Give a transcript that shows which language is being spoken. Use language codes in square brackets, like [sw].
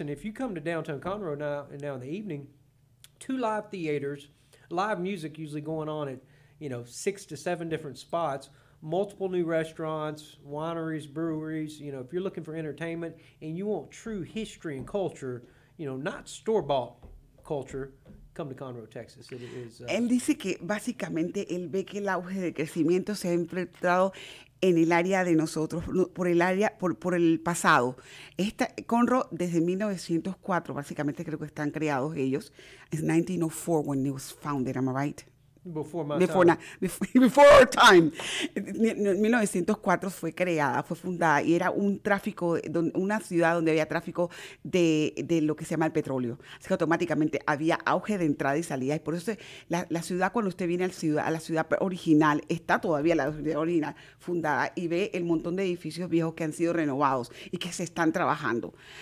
[en] And if you come to downtown Conroe now in the evening, two live theaters, live music usually going on at, you know, six to seven different spots, multiple new restaurants, wineries, breweries. You know, if you're looking for entertainment and you want true history and culture, you know, not store-bought culture, come to Conroe, Texas. It is, [es] él dice que básicamente él ve que el auge de crecimiento se ha enfrentado en el área de nosotros, por el pasado. Esta, Conroe, desde 1904, básicamente creo que están creados ellos. [en] It's 1904 when it was founded, am I right? Before our time. [es] 1904 fue creada, fue fundada, y era un tráfico, una ciudad donde había tráfico de lo que se llama el petróleo. Así que automáticamente había auge de entrada y salida. Y por eso la ciudad, cuando usted viene a la ciudad original, está todavía la ciudad original fundada, y ve el montón de edificios viejos que han sido renovados y que se están trabajando.